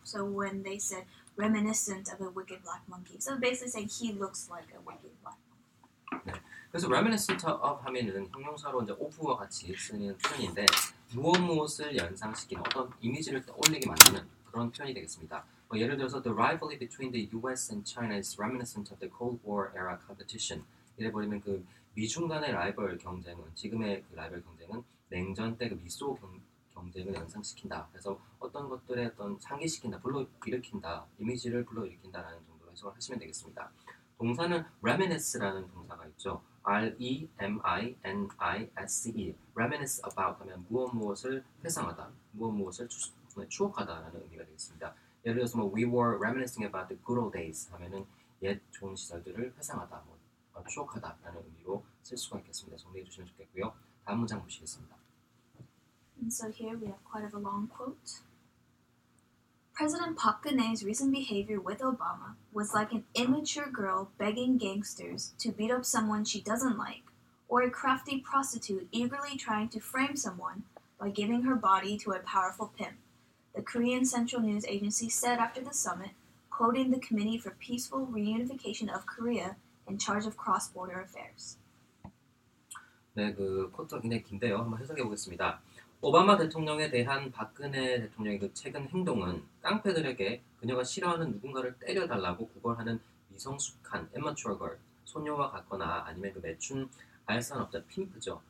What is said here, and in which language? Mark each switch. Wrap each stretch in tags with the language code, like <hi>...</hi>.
<en>So when they said reminiscent of a wicked black monkey, so basically saying he looks like a wicked black monkey.</en> <ko>네, 그래서 reminiscent of 하면은 형용사로 이제 of와 같이 쓰는 표현인데 무엇을 연상시키는 어떤 이미지를 떠올리게 만드는 그런 표현이 되겠습니다. 뭐 예를 들어서</ko> <en>the rivalry between the U.S. and China is reminiscent of the Cold War era competition.</en> <ko>이래 버리면 그 미중 간의 라이벌 경쟁은 지금의 그 라이벌 경쟁은 냉전 때 그 미소 경쟁을 연상시킨다. 그래서 어떤 것들에 어떤 상기시킨다, 불러일으킨다, 이미지를 불러일으킨다라는 정도로 해석을 하시면 되겠습니다. 동사는 reminisce라는 동사가 있죠. R-E-M-I-N-I-S-E. reminisce about 하면 무엇을 회상하다, 무엇을 추억하다라는 의미가 되겠습니다. 예를 들어서 뭐</ko> <en>we were reminiscing about the good old days</en> <ko>하면은 옛 좋은 시절들을 회상하다, 뭐 추억하다라는 의미로 쓸 수가 있겠습니다. 정리해 주시면 좋겠고요. 다음 문장 보시겠습니다.</ko> <en>And so here we have quite a long quote. President Park Geun-hye's recent behavior with Obama was like an immature girl begging gangsters to beat up someone she doesn't like, or a crafty prostitute eagerly trying to frame someone by giving her body to a powerful pimp. The Korean Central News Agency said after the summit, quoting the Committee for Peaceful Reunification of Korea in charge of cross-border affairs.</en> <ko>네, 그 코트가 굉장히 긴데요. 한번 해석해 보겠습니다. 오바마 대통령에 대한 박근혜 대통령의 그 최근 행동은 깡패들에게 그녀가 싫어하는 누군가를 때려달라고 구걸하는 미성숙한</ko> <en>immature girl,</en> <ko>소녀와 같거나 아니면 그 매춘 알선업자, 핌프죠.</ko>